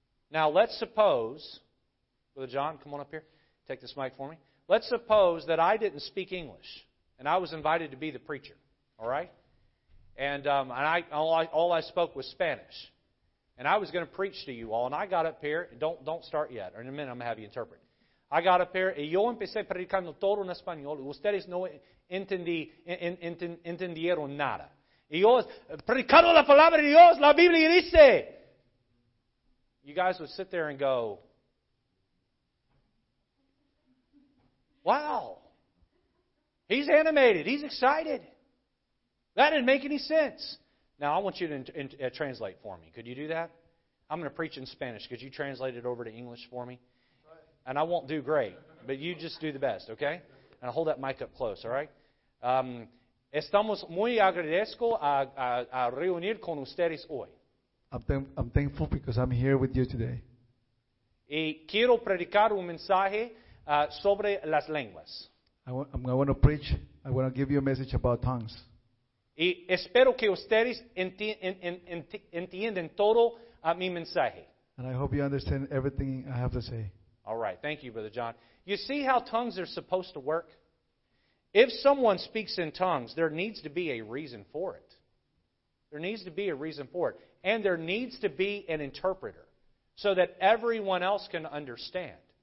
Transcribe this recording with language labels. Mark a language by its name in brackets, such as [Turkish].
[English] Now, let's suppose, Brother John, come on up here. Take this mic for me. Let's suppose that I didn't speak English, and I was invited to be the preacher. All right? And I spoke was Spanish. And I was going to preach to you all, and I got up here, don't start yet, or in a minute I'm going to have you interpret. I got up here, [Spanish] y yo empecé predicando todo en español, y ustedes no entendieron nada. Y yo predicando la palabra de Dios, la Biblia dice. [English] You guys would sit there and go, wow, he's animated, he's excited. That didn't make any sense. Now, I want you to translate for me. Could you do that? I'm going to preach in Spanish. Could you translate it over to English for me? And I won't do great, but you just do the best, okay? And I'll hold that mic up close, all right? [Spanish] Estamos muy agradecido a reunir con ustedes hoy. [English] I'm thankful because I'm here with you today. [Spanish] Y quiero predicar un mensaje sobre las lenguas. [English] I want to preach. I want to give you a message about tongues. [Spanish] Y espero que ustedes entiendan todo a mi mensaje. [English] And I hope you understand everything I have to say. All right. Thank you, Brother John. You see how tongues are supposed to work? If someone speaks in tongues, there needs to be a reason for it. There needs to be a reason for it. And there needs to be an interpreter so that everyone else can understand.